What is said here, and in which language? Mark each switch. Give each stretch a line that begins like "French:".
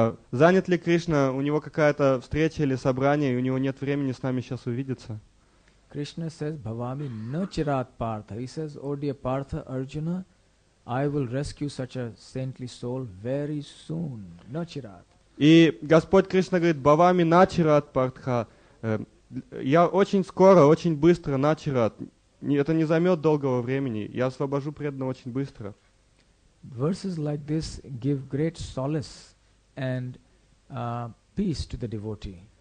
Russian: Занят ли Кришна, у него какая-то встреча или собрание, и у него нет времени с нами сейчас увидеться?
English: Krishna says,
Sanskrit: Bhavami na chirat partha.
English: He says, O dear Partha Arjuna, I will rescue such a saintly soul very soon.
Sanskrit: Na chirat.
Russian: И Господь Кришна говорит,
Sanskrit: Бхавами начират партха,
Russian: я очень скоро, очень быстро начират, это не займет долгого времени, я освобожу преданного очень быстро.
English: Verses like this give great solace and peace to the devotee.